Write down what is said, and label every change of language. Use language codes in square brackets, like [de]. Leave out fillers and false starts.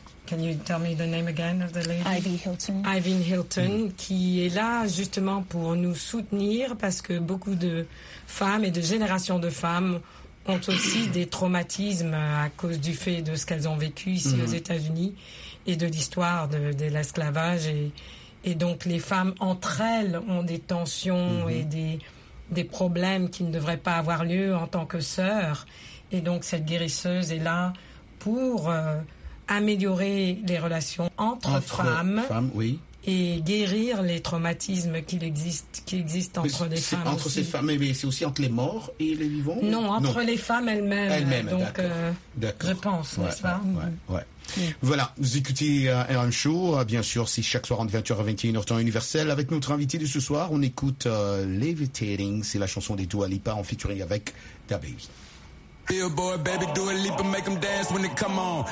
[en] Can you tell me the name again of the lady? Ivy Hilton. [fr] Ivy Hilton, qui est là justement pour nous soutenir, parce que beaucoup de femmes et de générations de femmes ont aussi des traumatismes à cause du fait de ce qu'elles ont vécu ici aux États-Unis et de l'histoire de l'esclavage. Et donc les femmes entre elles ont des tensions et des problèmes qui ne devraient pas avoir lieu en tant que sœur. Et donc, cette guérisseuse est là pour améliorer les relations entre femmes et guérir les traumatismes qui existent entre les femmes. C'est entre aussi. Ces femmes, mais c'est aussi entre les morts et les vivants? Non, entre les femmes elles-mêmes. Elles-mêmes, donc, d'accord. Je pense, n'est-ce pas? Voilà, vous écoutez RM Show, bien sûr, c'est chaque soir entre 20h et 21h temps universel. Avec notre invité de ce soir, on écoute Levitating, c'est la chanson des Dua Lipa en featuring avec DaBaby. [en] Billboard, baby, do a leap and make them dance when they come on.